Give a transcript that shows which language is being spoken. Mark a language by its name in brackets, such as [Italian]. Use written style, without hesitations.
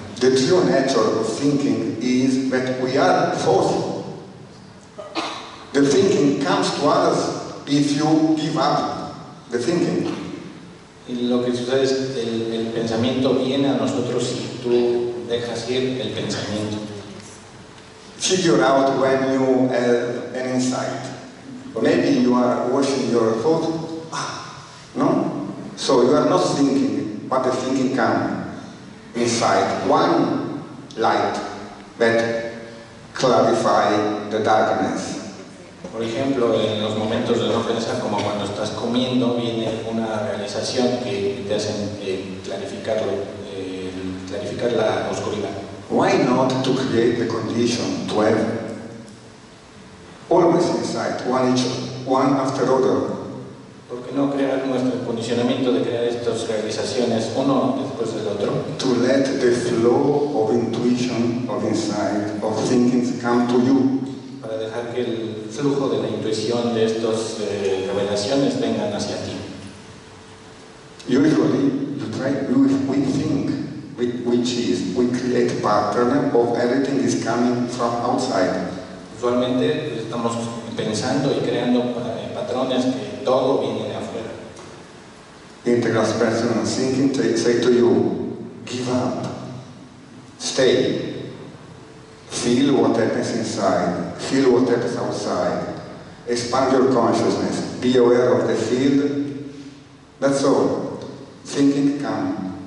[English] The true nature of thinking is that we are forced. The thinking comes to us if you give up the thinking. [Spanish] Y lo que sucede es que el pensamiento viene a nosotros si tú dejas ir el pensamiento. [English] Figure out when you have an insight. Maybe you are watching your thought. No? So you are not thinking, but the thinking comes inside one light that clarifies the darkness. [Spanish] Por ejemplo, en los momentos de no pensar, como cuando estás comiendo, viene una realización que te hace clarificar la oscuridad. [English] Why not to create the condition to have always inside one each, one after other? [Spanish] ¿Por qué no crear nuestro condicionamiento de crear estas realizaciones uno después del otro? [English] To let the flow of intuition, of insight, of thinking come to you. [Spanish] Para dejar que el flujo de la intuición de estas revelaciones vengan hacia ti. [English] Usually, you try, we think, which is, we create pattern of everything is coming from outside. [Spanish] Usualmente estamos pensando y creando patrones que todo viene de afuera. [English] Integral personal thinking say to you, give up, stay, feel what happens inside, feel what happens outside, expand your consciousness, be aware of the field, that's all, thinking come.